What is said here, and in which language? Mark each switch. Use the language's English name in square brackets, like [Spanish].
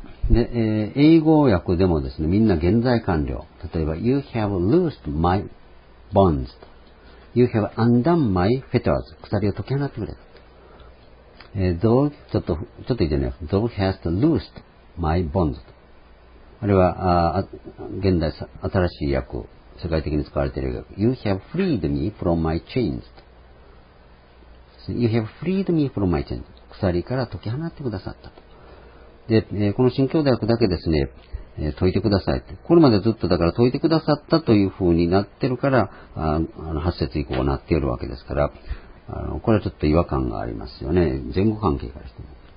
[Japanese] で、英語訳でもですね、みんな現在完了。 [English] 例えば、You have loosed my bonds. You have undone my fetters. [Japanese] 鎖を解き放ってくれた。ちょっと言ってね、 [English] Thou hast loosed my bonds. [Japanese] あるいは、現代、新しい訳、世界的に使われている訳。 [English] You have freed me from my chains. You have freed me from my chains. [Japanese] 鎖から解き放ってくださったと。で、この神経大学だけですね、解いてくださいって。これまでずっとだから解いてくださったという風になってるから、8節以降なっているわけですから、これはちょっと違和感がありますよね。前後関係からしても。